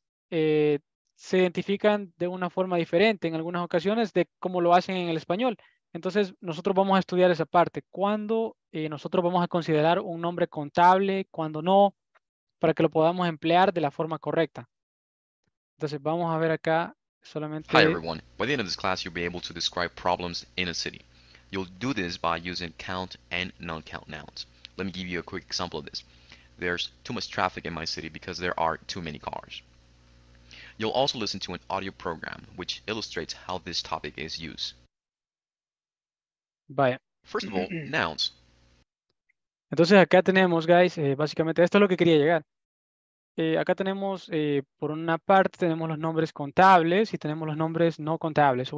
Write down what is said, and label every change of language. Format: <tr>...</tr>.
<es>Se identifican de una forma diferente en algunas ocasiones de cómo lo hacen en el español. Entonces, nosotros vamos a estudiar esa parte. ¿Cuándo nosotros vamos a considerar un nombre contable? ¿Cuándo no? Para que lo podamos emplear de la forma correcta. Entonces, vamos a ver acá solamente...</es> <en>Hi everyone. By the end of this class, you'll be able to describe problems in a city. You'll do this by using count and non-count nouns. Let me give you a quick example of this. There's too much traffic in my city because there are too many cars. You'll also listen to an audio program which illustrates how this topic is used.</en> <es>Vaya.</es> <en>First of all, nouns.</en> <es>Entonces acá tenemos, guys, básicamente esto es lo que quería llegar. Acá tenemos, por una parte, tenemos los nombres contables y tenemos los nombres no contables.</es>